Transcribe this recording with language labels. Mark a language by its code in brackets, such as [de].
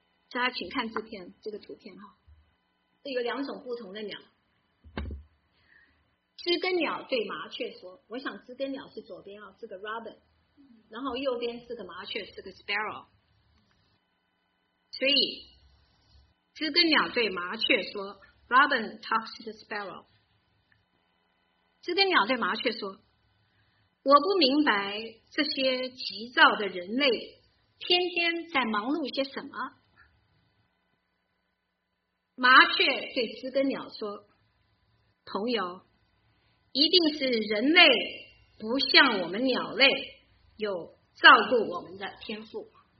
[zh] 大家请看这片这个图片哈，这有两种不同的鸟。知更鸟对麻雀说，我想知更鸟是左边啊，是个 robin， 然后右边是个麻雀，是个 sparrow。所以知更鸟对麻雀说， [en] robin talks to the sparrow。 [zh] 知更鸟对麻雀说，我不明白这些急躁的人类天天在忙碌些什么。麻雀对知更鸟说，朋友，一定是人类不像我们鸟类有照顾我们的天赋。